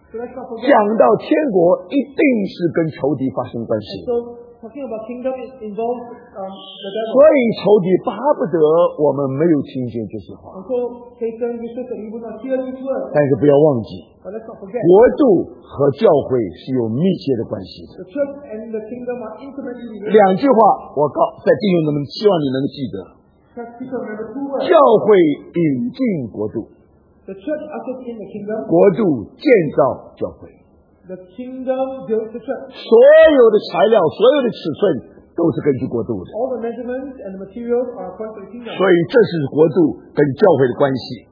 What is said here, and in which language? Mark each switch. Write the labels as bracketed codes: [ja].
[zh] 讲到天国一定是跟仇敌发生关系，所以仇敌巴不得我们没有听见这些话。但是不要忘记，国度和教会是有密切的关系的。两句话，我告在弟兄们，希望你能记得：教会引进国度。 [en] The church ushers in the kingdom. [zh] 国度建造教会。 [en] The kingdom builds the church. [zh] 所有的材料，所有的尺寸，都是根据国度的。 [en] All the measurements and the materials are according to the kingdom. [zh] 所以这是国度跟教会的关系。